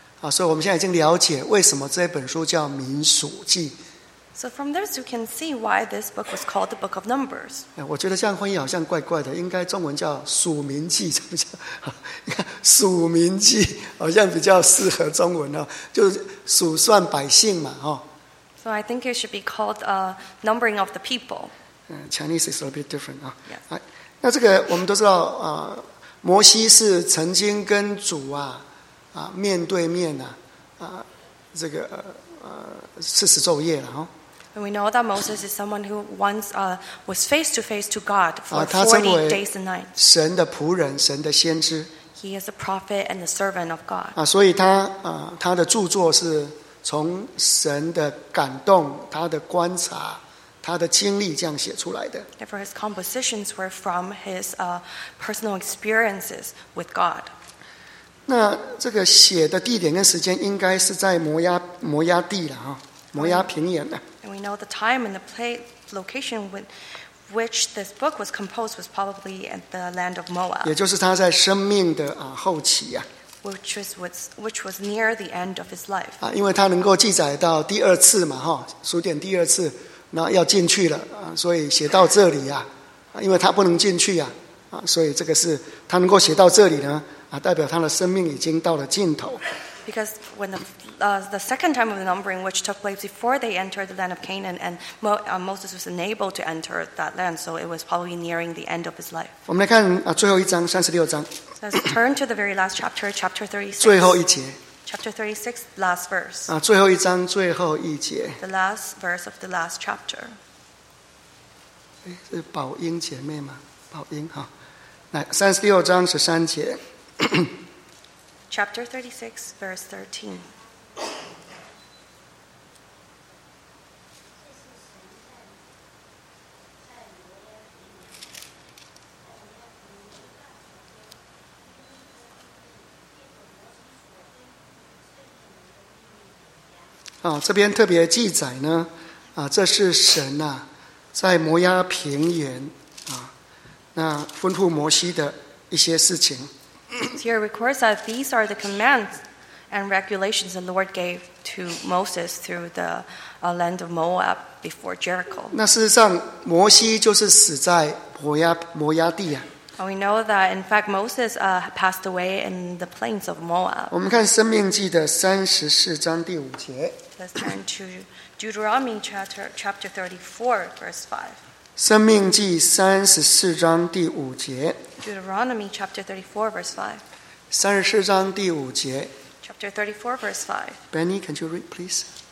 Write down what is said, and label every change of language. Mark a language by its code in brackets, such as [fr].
[zh] 所以我们现在已经了解为什么这本书叫《民数记》。 [en] So from this, you can see why this book was called the Book of Numbers. [zh] 我觉得这样翻译好像怪怪的，应该中文叫《数民记》，怎么讲？你看《数民记》好像比较适合中文就是数算百姓嘛，哈。 [en] So I think it should be called Numbering of the People. Chinese is a bit different. Yes. [zh] 那这个我们都知道，摩西是曾经跟主面对面这个四十昼夜了哈。 [en] And we know that Moses is someone who once was face to face to God for 40 days and nights. [zh] 神的仆人，神的先知。 [en] He is a prophet and a servant of God. [zh] 所以他的著作是从神的感动、他的观察、他的经历这样写出来的。 [en] Therefore, his compositions were from his personal experiences with God. [zh] 那这个写的地点跟时间应该是在摩押地了哈，摩押平原的。 [en] And we know the time and the location with which this book was composed was probably at the land of Moab. [zh] 也就是他在生命的后期啊。 [en] Which was near the end of his life. [zh] 因为他能够记载到第二次嘛，哈，数点第二次，那要进去了，所以写到这里啊，因为他不能进去啊，所以这个是他能够写到这里呢，代表他的生命已经到了尽头。 [en] Because when the second time of the numbering, which took place before they entered the land of Canaan, and Moses was unable to enter that land, so it was probably nearing the end of his life. [zh] 我们来看最后一章36章。 [en] Let's turn to the very last chapter, chapter 36. [zh] 最后一节。 [en] Chapter 36, last verse. [zh] 最后一章最后一节。 [en] The last verse of the last chapter. [zh] 是宝英姐妹吗？宝英哈，来36章13节。 [en] Chapter 36, verse 13. [zh] 这边特别记载呢，这是神啊，在摩押平原那吩咐摩西的一些事情。 [en] Here records that these are the commands and regulations the Lord gave to Moses through the land of Moab before Jericho. [zh] 那事实上，摩西就是死在摩押地啊。 [en] And we know that in fact Moses passed away in the plains of Moab. [zh] 我们看《生命记》的34章第5节。 [en] Let's turn to Deuteronomy chapter 34, verse 5. [zh] 《生命记》34章第5节。 [en] Deuteronomy chapter 34 verse 5. [zh] 34章第5节。 [en] Chapter 34 verse 5. Benny, can you read, please?